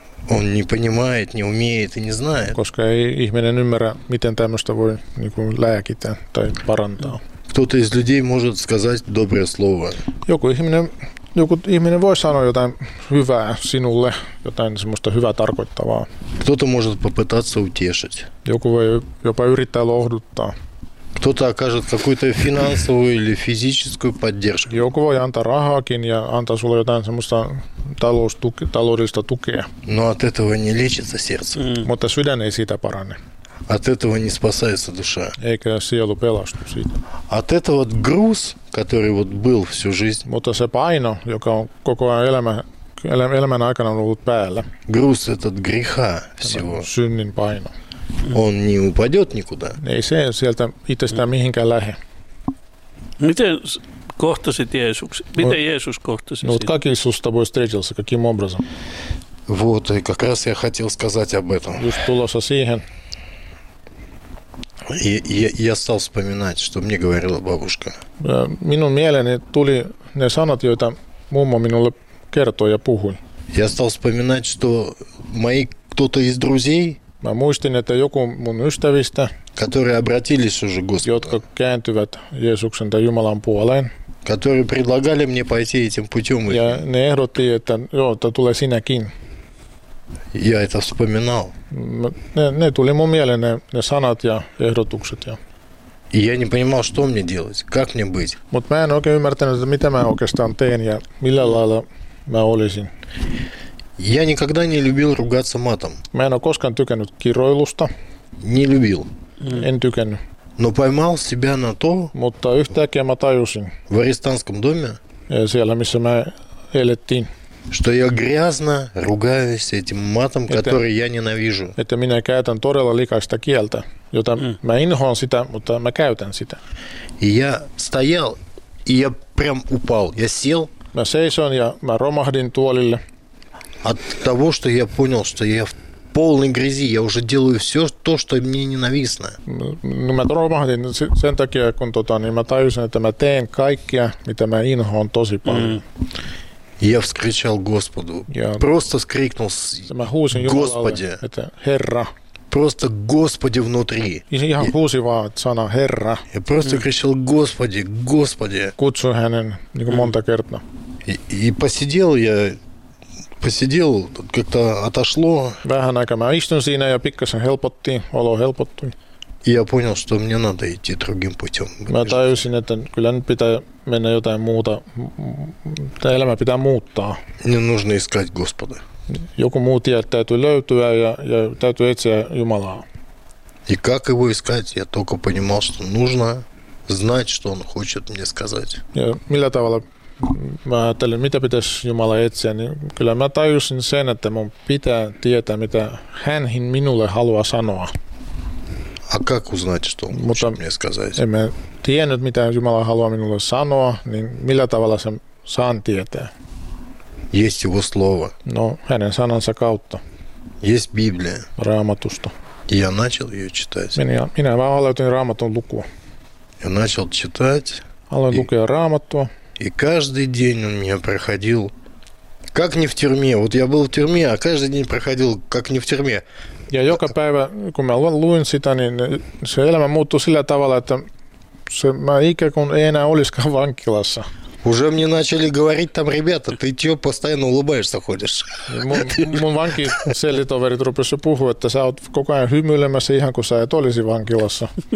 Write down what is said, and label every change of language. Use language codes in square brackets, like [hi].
[ru] Он не понимает, не умеет и не знает. [fi] Koska ei ihminen ymmärrä, miten tämmöistä voi niin kuin lääkitä tai parantaa. [ru] Кто-то из людей может сказать доброе слово. [fi] Joku ihminen voi sanoa jotain hyvää sinulle, jotain semmoista hyvää tarkoittavaa. [ru] Кто-то может попытаться утешить. [fi] Joku voi jopa yrittää lohduttaa. [ru] Кто-то окажет какую-то финансовую или физическую поддержку. [fi] Joku voi antaa rahaakin ja antaa sulle jotain semmoista taloudellista tukea. [ru] Но от этого не лечится сердце. [fi] Mutta sydän ei siitä parane. [ru] От этого не спасается душа. [fi] Eikä sielu pelastu siitä. [ru] От этого груз, который вот был всю жизнь. [fi] Mutta se paino, joka on koko ajan elämän aikana ollut päällä. [ru] Груз этот греха всего. [fi] Synnin paino. [ru] Он не упадет никуда. [fi] Ei se sieltä itsestään mihinkään lähe. Miten kohtasit Jeesuksen? Miten Jeesus kohtasi sinut? [ru] Как Иисус с тобой встретился? Каким образом? Вот, и как раз я хотел сказать об этом. [fi] Just tulossa siihen. [ru] Я стал вспоминать, что мне говорила бабушка. [fi] Minun mieleeni tuli ne sanat, joita mummo minulle kertoi ja puhui. [ru] Я стал вспоминать, что мои кто-то из друзей. [fi] Mä muistin, että joku mun ystävistä, [ru] которые обратились уже к Господу, [fi] jotka kääntyvät Jeesuksen tai Jumalan puoleen, [ru] которые предлагали мне пойти этим путем, [fi] ja ne ehdotti, että joo, että tule sinäkin. [ru] Я это вспоминал. [fi] Ne tuli mun mieleen ne sanat ja ehdotukset. Ja. [ru] И я не понимал, что мне делать, как мне быть. [fi] Mutta mä en oikein ymmärtänyt, että mitä mä oikeastaan teen ja millä lailla mä olisin. [ru] Я никогда не любил ругаться матом. [fi] Mä en ole koskaan tykännyt kiroilusta. [ru] Не любил. [fi] En tykännyt. [ru] Но поймал себя на то. [fi] Mutta yhtäkkiä mä tajusin. [ru] В арестантском доме. [fi] Siellä, missä mä elettiin. [ru] Что я грязно ругаюсь этим матом, который я ненавижу. [fi] Että minä käytän todella likaista kieltä, jota mä inhoan sitä, mutta mä käytän sitä. [ru] И я стоял, и я прям упал, я сел. [fi] Mä seison ja mä romahdin tuolille. [ru] От того, что я понял, что я в полной грязи, я уже делаю все то, что мне ненавистно. [fi] Ну, mä romahdin sen takia, kun mä tajusin, että mä teen kaikkea, mitä mä inhoan tosi paljon. [ru] Я вскричал Господу. Просто вскрикнул. [fi] Mä huusin Jumalalle, että Herra. [ru] Просто Господи внутри. [fi] Ihan huusin vaan sana Herra. [ru] Я просто кричал Господи, Господи. [fi] Kutsuin hänen niin kuin monta kertaa. [ru] И посидел я... Посидел, как-то отошло. [fi] Vähän aikaa mä istun siinä ja pikkasen helpottiin, olo helpottui. [ru] И я понял, что мне надо идти другим путем. [fi] Mä tajusin, että kyllä nyt pitää mennä jotain muuta. Tää elämä pitää muuttaa. [ru] Не нужно искать Господа. [fi] Joku muu tie täytyy löytyä ja täytyy etsiä Jumalaa. [ru] И как его искать? Я только понимал, что нужно знать, что он хочет мне сказать. [fi] Ja millä tavalla... Mä ajattelin, mitä pitäisi Jumala etsiä, niin kyllä mä tajusin sen, että mun pitää tietää, mitä hänhin minulle haluaa sanoa. [ru] A как узнать, что он хочет мне сказать? [fi] En mä tiennyt, mitä Jumala haluaa minulle sanoa, niin millä tavalla sen saan tietää? [ru] Есть его слово. [fi] No, hänen sanansa kautta. [ru] Есть Библия. [fi] Raamatusta. [ru] Я начал ее читать. [fi] Minä vaan aloitin Raamatun lukua. [ru] Я начал читать. [fi] Aloin lukea Raamattua. [ru] И каждый день он меня проходил, как не в тюрьме. Вот я был в тюрьме, а каждый день проходил, как не в тюрьме. [fi] Ja joka päivä, kun mä luin sitä, niin se elämä muuttui sillä tavalla, että se, mä ikään kuin ei enää olisikaan vankilassa. [ru] Уже мне начали говорить там, ребята, ты чё постоянно улыбаешься ходишь? [fi] Mun vankiselitoverit rupesi puhua, että sä oot koko ajan hymyilemässä ihan kuin sä et olisi vankilassa.